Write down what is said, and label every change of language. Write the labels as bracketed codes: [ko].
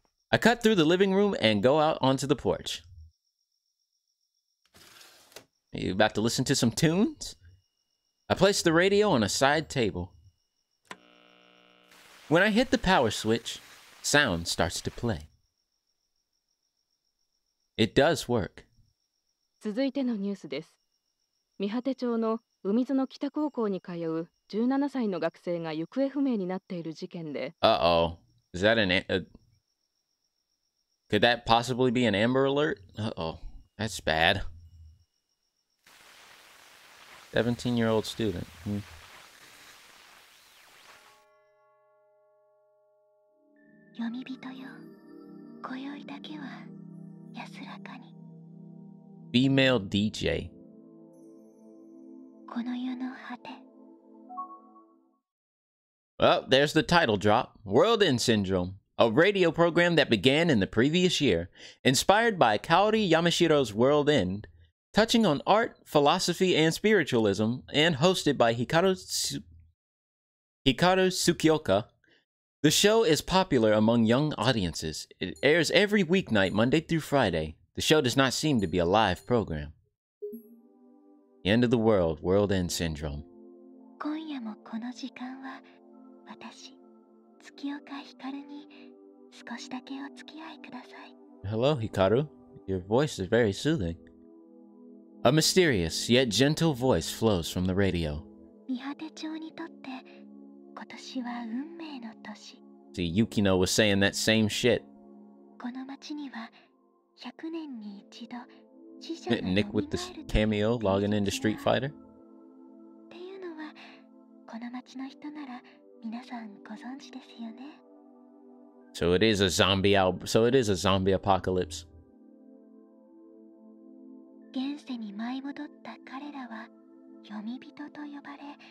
[en] I cut through the living room and go out onto the porch. Are you about to listen to some tunes? I place the radio on a side table. When I hit the power switch, sound starts to play. It does work. [ja] 続いてのニュースです。三畑町の海津の北高校に通う17歳の学生が行方不明になっている事件で。 [en] Uh-oh. Is that an Could that possibly be an Amber Alert? Uh-oh. That's bad. 17-year-old student. [ja] よみびとよ、今宵だけは安らかに。 [en] Female DJ。 [ja] この世の果て。 [en] Well, there's the title drop. World End Syndrome, a radio program that began in the previous year, inspired by Kaori Yamashiro's World End, touching on art, philosophy, and spiritualism, and hosted by Hikaru Tsukioka. The show is popular among young audiences. It airs every weeknight, Monday through Friday. The show does not seem to be a live program. The end of the world, World End Syndrome. [ja] 今夜もこの時間は、私、月岡ひかるに少しだけお付き合いください。 [en] Hello, Hikaru. Your voice is very soothing. A mysterious yet gentle voice flows from the radio. [ja] 三畑町にとって、今年は運命の年。 [en] See, Yukino was saying that same shit. [ja] この街には100年に一度死者が蘇る。 [en] Nick with the cameo logging into Street Fighter. [ja] っていうのはこの街の人なら皆さんご存知ですよね。 [en] So it is a zombie so it is a zombie apocalypse. [ja] 現世に舞い戻った彼らは読み人と呼ばれ。